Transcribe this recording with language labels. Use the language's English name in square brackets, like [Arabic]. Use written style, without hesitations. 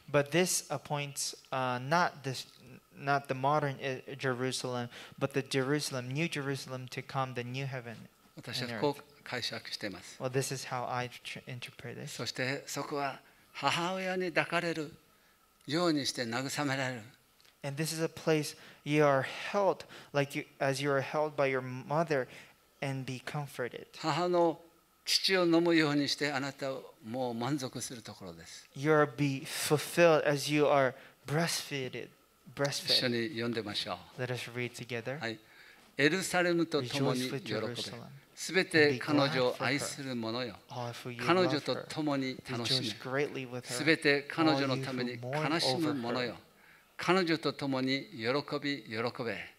[English] But this appoints not the modern Jerusalem, but the Jerusalem, new Jerusalem to come, the new heaven. [Japanese] 私はこう解釈しています。 [English] Well, this is how I interpret this. [Japanese] そしてそこは母親に抱かれるようにして慰められる。 [English] And this is a place you are held, like you, as you are held by your mother, and be comforted. [Japanese] 母の乳を飲むようにしてあなたをもう満足するところです。 [English] You are be fulfilled as you are breastfed. [Japanese] 一緒に読んでましょう。 [English] Let us read together. [Japanese] はい、エルサレムと共に喜べ。すべて彼女を愛する者よ。彼女と共に楽しめ。すべて彼女のために悲しむ者よ。彼女と共に喜び喜べ。